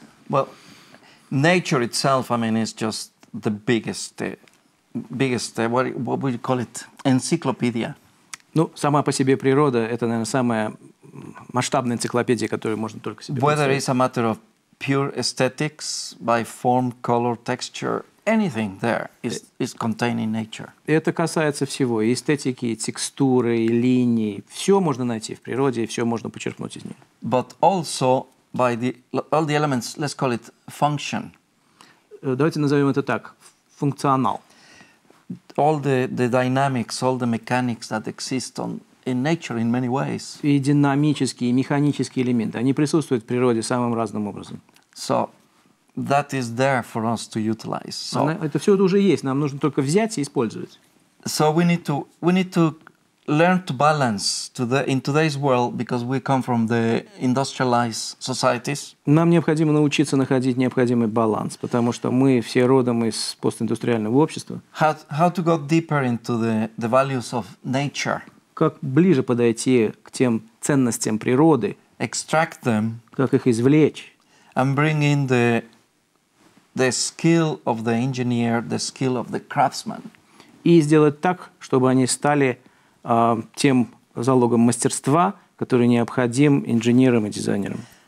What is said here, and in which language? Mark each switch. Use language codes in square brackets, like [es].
[en] Well, nature itself, I mean, is just the biggest. What would you call it? Encyclopedia. [ru] Ну, сама по себе природа – это, наверное, самая масштабная энциклопедия, которую можно только себе представить. [en] Whether it's a matter of pure aesthetics, by form, color, texture, anything there is contained in nature. [ru] Это касается всего – эстетики, и текстуры, и линии. Все можно найти в природе, все можно почерпнуть из нее. [en] But also by the, all the elements, let's call it function. [ru] Давайте назовем это так – функционал. [en] All the dynamics, all the mechanics that exist on in nature in many ways. [ru] И динамические, и механические элементы, они присутствуют в природе самым разным образом. [en] So that is there for us to utilize. So [ru] это все уже есть, нам нужно только взять и использовать. [en] So we need to learn to balance in today's world because we come from the industrialized societies. [ru] Нам необходимо научиться находить необходимый баланс, потому что мы все родом из постиндустриального общества. [en] How to go deeper into the values of nature? [ru] Как ближе подойти к тем ценностям природы? [en] Extract them. [ru] Как их извлечь? [en] And bring in the skill of the engineer, the skill of the craftsman. [ru] И сделать так, чтобы они стали тем залогом мастерства, который необходим инженерам и дизайнерам.